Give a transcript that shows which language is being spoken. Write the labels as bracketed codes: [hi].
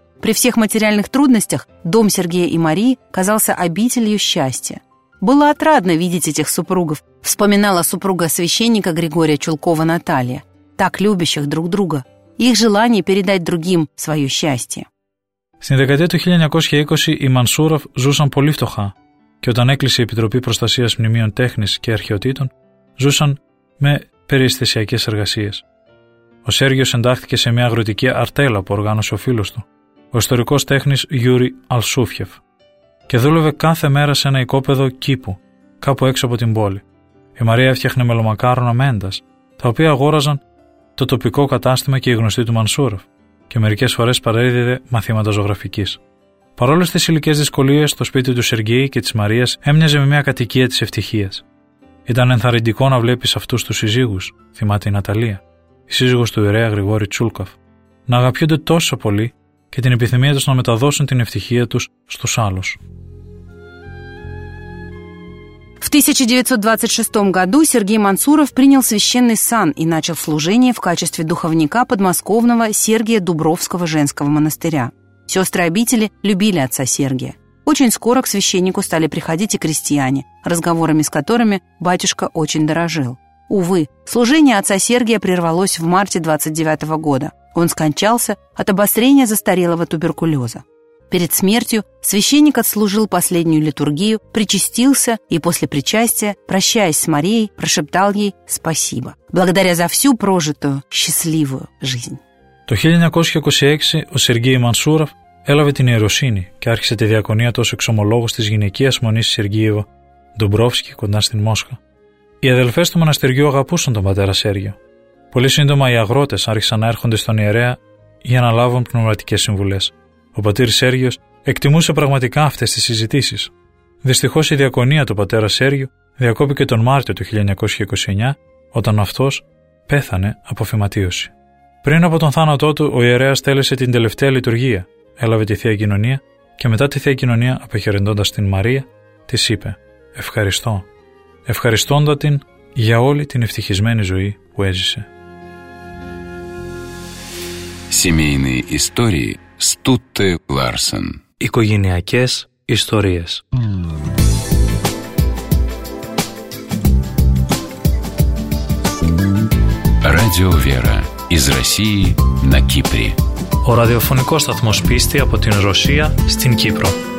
[ru] При всех материальных трудностях дом Сергея и Марии казался обителью счастья. Было отрадно видеть этих супругов, вспоминала супруга священника Григория Чулкова Наталья, так любящих друг друга, их желание передать другим свое счастье. [el] Στην δεκαετία του 1920 οι Μανσούροφ ζούσαν πολύ φτωχά και όταν έκλεισε η Επιτροπή Προστασίας Μνημείων Τέχνης και Αρχαιοτήτων, ζούσαν με περιστασιακές εργασίες. Ο Σέργιος εντάχθηκε σε μια αγροτική αρτέλα που οργάνωσε ο φίλος του, ο ιστορικός τέχνης Γιούρι Αλσούφιεφ, και δούλευε κάθε μέρα σε ένα οικόπεδο κήπου, κάπου έξω από την πόλη. Η Μαρία έφτιαχνε μελομακάρονα μέντας, τα οποία αγόραζαν το τοπικό κατάστημα και οι γνωστοί του Μανσούροφ, και μερικές φορές παρέδιδε μαθήματα ζωγραφικής. Παρόλες τις υλικές δυσκολίες, το σπίτι του Σεργέη και της Μαρίας έμοιαζε με μια κατοικία της ευτυχίας. Ήταν ενθαρρυντικό να βλέπεις αυτούς τους συζύγους, θυμάται η Ναταλία, η σύζυγος του ιερέα Γρηγόρη Τσούλκοφ, να αγαπιούνται τόσο πολύ και την επιθυμία τους να μεταδώσουν την ευτυχία τους στους άλλους. [ru] В 1926 году Сергей Мансуров принял священный сан и начал служение в качестве духовника подмосковного Сергия Дубровского женского монастыря. Сестры обители любили отца Сергия. Очень скоро к священнику стали приходить и крестьяне, разговорами с которыми батюшка очень дорожил. Увы, служение отца Сергия прервалось в марте 1929 года. Он скончался от обострения застарелого туберкулеза. Перед смертью священник отслужил последнюю литургию, причастился и после причастия, прощаясь с Марией, прошептал ей «спасибо», благодаря за всю прожитую счастливую жизнь. [el] Το 1926 ο Сергей Мансуров έλαβε την ιεροσύνη και άρχισε τη διακονία του ως εξομολόγος της γυναικείας μονής Σεργίεβα Ντουμπρόφσκι κοντά στην Μόσχα. Οι αδελφές του μοναστηριού αγαπούσαν τον πατέρα Σέργιο. Πολύ σύντομα οι αγρότες άρχισαν να έρχονται στον ιερέα για να λάβουν πνευματικές συμβουλές. Ο πατήρ Σέργιος εκτιμούσε πραγματικά αυτές τις συζητήσεις. Δυστυχώς η διακονία του πατέρα Σέργιου διακόπηκε τον Μάρτιο του 1929, όταν αυτός πέθανε από φυματίωση. Πριν από τον θάνατό του, ο ιερέας τέλεσε την τελευταία λειτουργία, έλαβε τη Θεία Κοινωνία και μετά τη Θεία Κοινωνία, αποχαιρετώντας την Μαρία, της είπε «Ευχαριστώ», ευχαριστώντα την για όλη την ευτυχισμένη ζωή που έζησε. [ru] Семейные истории Стутте Ларсен. [el] Οικογενειακές ιστορίες. [ru] Радио Вера из России на Кипре. [el] Ο ραδιοφωνικός σταθμός Πίστη από την Ρωσία στην Κύπρο.